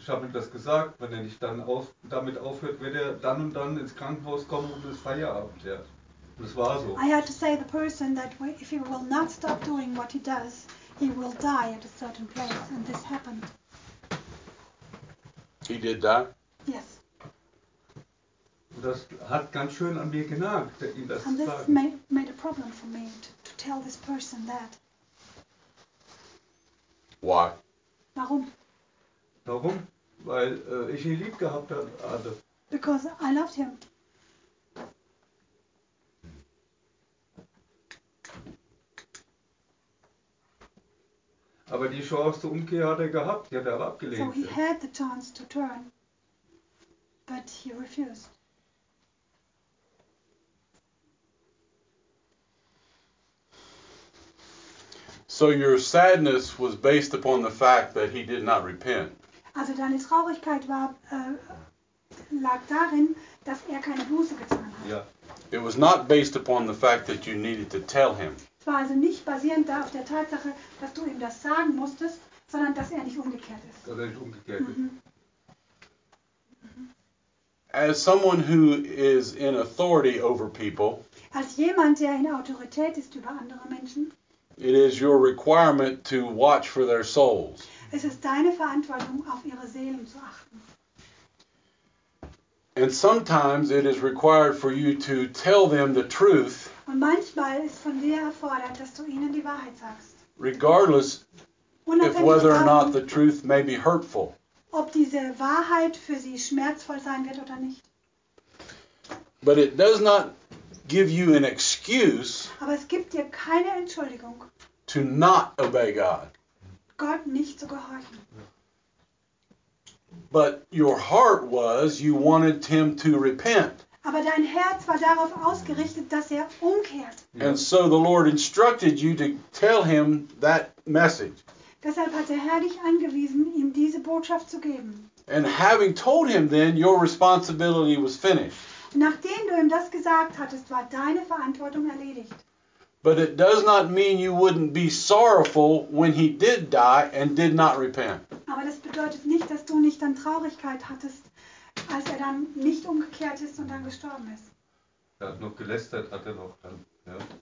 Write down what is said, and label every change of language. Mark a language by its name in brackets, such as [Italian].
[German] Ich habe ihm das gesagt, wenn er nicht dann damit aufhört, wird er dann und dann ins Krankenhaus kommen und es Feierabend, ja. Und es war so. [English] I had to say the person that if he will not stop doing what he does, he will die at a certain place, and this happened. He did that? Yes. [German] Und das hat ganz schön an mir genagt, ihm das zu sagen. [English] And this made a problem for me to tell this person that. Why? [German] Warum? Warum? Weil ich ihn lieb gehabt hatte. [English] Because I loved him. [German] Aber die Chance zur Umkehr hat er gehabt, die hat er aber abgelehnt. [English] So he had the chance to turn, but he refused. So your sadness was based upon the fact that he did not repent. [German] Also deine Traurigkeit war lag darin, dass er keine Buße getan hat. Ja. [English] It was not based upon the fact that you needed to tell him. [German] Es war also nicht basierend auf der Tatsache, dass du ihm das sagen musstest, sondern dass er nicht umgekehrt ist. Dass er nicht umgekehrt ist. [English] As someone who is in authority over people. [German] Als jemand, der in Autorität ist über andere Menschen. [English] It is your requirement to watch for their souls. [German] Es ist deine Verantwortung, auf ihre Seelen zu achten. [English] And sometimes it is required for you to tell them the truth. [German] Und manchmal ist von dir erfordert, dass du ihnen die Wahrheit sagst. [English] Regardless of whether or not the truth may be hurtful. [German] Ob diese Wahrheit für sie schmerzvoll sein wird oder nicht. [English] But it does not give you an excuse. [German] Aber es gibt dir keine Entschuldigung. [English] To not obey God. [German] Gott nicht zu gehorchen. [English] But your heart was you wanted him to repent. [German] Aber dein Herz war darauf ausgerichtet, dass er umkehrt. [English] And so the Lord instructed you to tell him that message. [German] Deshalb hat der Herr dich angewiesen, ihm diese Botschaft zu geben. [English] And having told him then your responsibility was finished. [German] Nachdem du ihm das gesagt hattest, war deine Verantwortung erledigt. [English] But it does not mean you wouldn't be sorrowful when he did die and did not repent. [German] Aber das bedeutet nicht, dass du nicht dann Traurigkeit hattest, als er dann nicht umgekehrt ist und dann gestorben ist. Er hat noch gelästert, hat er noch dann, ja.